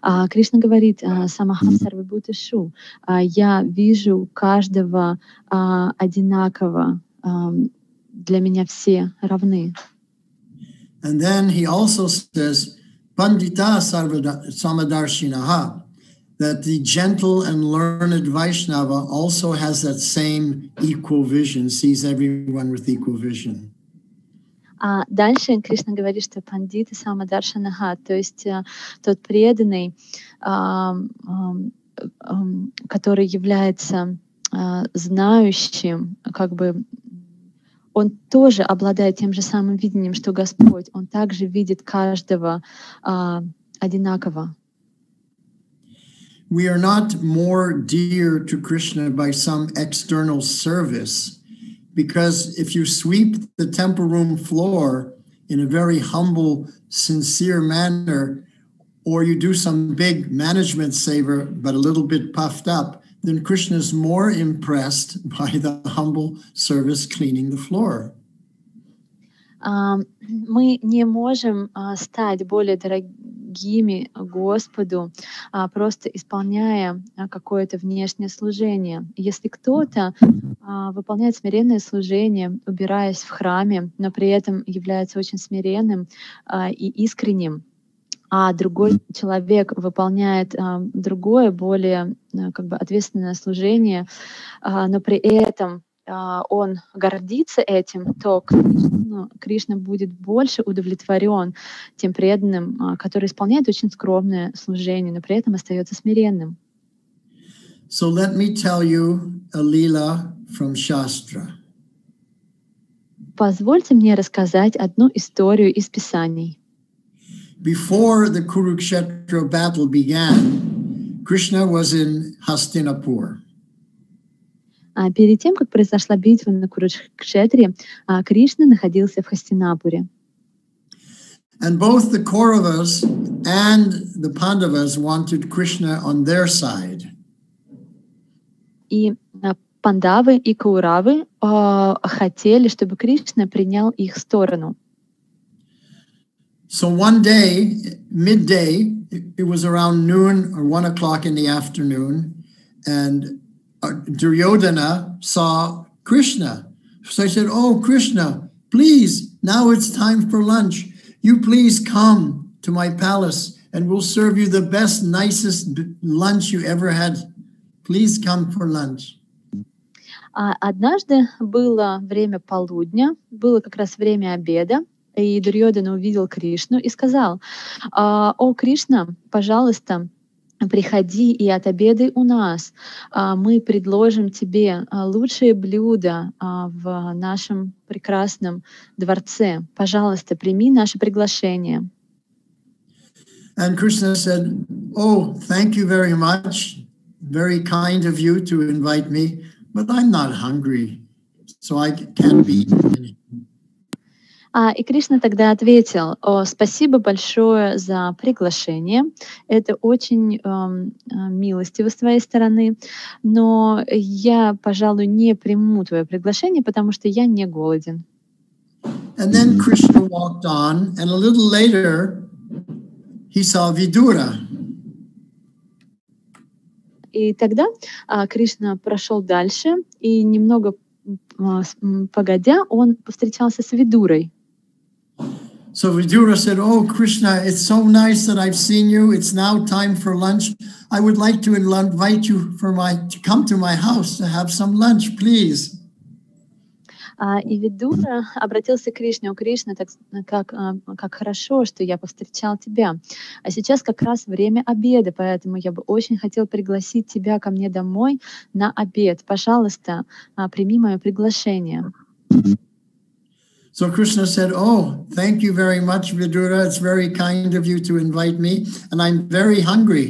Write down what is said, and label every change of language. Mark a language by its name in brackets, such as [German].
[Russian] Кришна говорит, [Sanskrit] Самахам сарвабхутешу, [Russian] я вижу каждого одинаково, для меня все равны. [English] And then he also says, [Sanskrit] Pandita Samadarshinaha, [English] that the gentle and learned Vaishnava also has that same equal vision, sees everyone with equal vision. [Russian] Дальше Кришна говорит, что [Sanskrit] Пандита Самадаршинаха, [Russian] то есть тот преданный, который является знающим, как бы, он тоже обладает тем же самым видением, что Господь. Он также видит каждого одинаково. [English] We are not more dear to Krishna by some external service, because if you sweep the temple room floor in a very humble, sincere manner, or you do some big management saver, but a little bit puffed up, then Krishna is more impressed by the humble service cleaning the floor. [Russian] Мы не можем стать более дорогими Господу, просто исполняя какое-то внешнее служение. Если кто-то выполняет смиренное служение, убираясь в храме, но при этом является очень смиренным и искренним, а другой человек выполняет другое, более как бы ответственное служение, но при этом он гордится этим, то Кришна будет больше удовлетворен тем преданным, который исполняет очень скромное служение, но при этом остается смиренным. [English] So let me tell you a lila from Shastra. [Russian] Позвольте мне рассказать одну историю из Писаний. [English] Before the Kurukshetra battle began, Krishna was in Hastinapur. [Russian] Перед тем, как произошла битва на Курукшетре, Кришна находился в Хастинапуре. [English] And both the Kauravas and the Pandavas wanted Krishna on their side. [Russian] и Пандавы и Кауравы хотели, чтобы Кришна принял их сторону. [English] So one day, midday, it was around noon or 1 o'clock in the afternoon, and Duryodhana saw Krishna. So he said, "Oh, Krishna, please, now it's time for lunch. You please come to my palace, and we'll serve you the best, nicest lunch you ever had. Please come for lunch." [Russian] Однажды было время полудня, было как раз время обеда, и Дурьодана увидел Кришну и сказал: «О, Кришна, пожалуйста, приходи и отобедай у нас. Мы предложим тебе лучшие блюда в нашем прекрасном дворце. Пожалуйста, прими наше приглашение». [English] And Krishna said, "Oh, thank you very much. Very kind of you to invite me. But I'm not hungry, so I can't be eating." [Russian] И Кришна тогда ответил: "О, спасибо большое за приглашение. Это очень милостиво с твоей стороны, но я, пожалуй, не приму твое приглашение, потому что я не голоден." [English] And then Krishna walked on, and a little later he saw Vidura. [Russian] И тогда Кришна прошел дальше, и немного погодя он повстречался с Видурой. [English] So Vidura said, "Oh, Krishna, it's so nice that I've seen you. It's now time for lunch. I would like to invite you to come to my house to have some lunch, please." [Russian] И Видура обратился к Кришне: "О, Кришна, как хорошо, что я повстречал тебя. А сейчас как раз время обеда, поэтому я бы очень хотел пригласить тебя ко мне домой на обед. Пожалуйста, прими мое приглашение." [English] So Krishna said, "Oh, thank you very much, Vidura. It's very kind of you to invite me, and I'm very hungry.